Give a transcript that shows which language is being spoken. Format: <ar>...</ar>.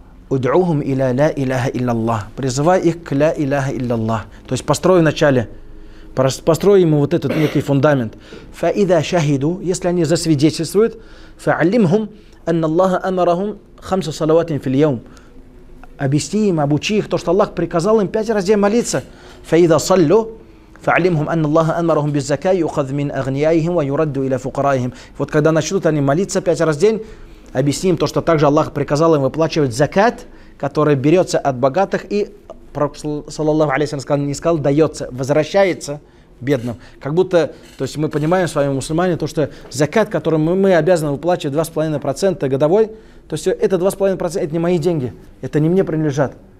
<ar>Удуухум иля ля иляха илляллах.</ar> <ru>Призывай их к ля иляха илляллах. То есть построй вначале. Построй ему вот этот некий фундамент.</ru> <ar>Фа иза шахиду,</ar> <ru>если они засвидетельствуют,</ru> <ar>фа алимхум анна Аллаха амарахум хамсу салаватин фил йаум.</ar> <ru>Объясни им, обучи их то, что Аллах приказал им 5 раз молиться.</ru> <ar>Фа иза саллю, فعلمهم أن الله أمرهم بالزكاة يؤخذ من أغنيائهم ويرد إلى فقرائهم.</ar> <ru>Вот когда начнут они молиться 5 раз в день, объясни им то, что также Аллах приказал им выплачивать закат, который берется от богатых, и саллаллаху алейхи ва саллям не сказал дается, возвращается бедным. Как будто, то есть мы понимаем с вами, мусульмане, то, что закат, который мы обязаны выплачивать 2,5% годовой, то есть это 2,5% это не мои деньги, это не мне принадлежат.</ru>